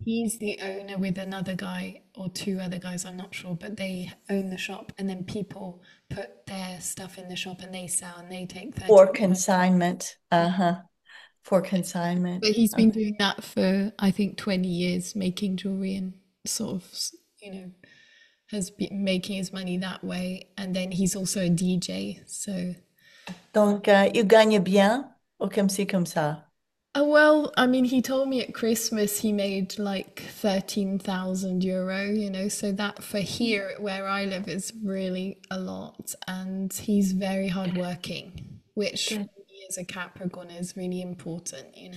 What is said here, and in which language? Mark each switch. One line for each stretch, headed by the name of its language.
English: he's the owner with another guy or two other guys, I'm not sure, but they own the shop, and then people put their stuff in the shop and they sell and they take 30. For consignment. Uh-huh. For consignment. But he's been Okay. doing that for I think 20 years, making jewelry and sort of, you know, has been making his money that way. And then he's also a DJ, so
French: Donc, il gagne bien, ou comme ci, comme ça.
English: Well, I mean, he told me at Christmas he made like 13,000 euro, so that for here where I live is really a lot. And he's very hardworking, which Good. me as a Capricorn is really important,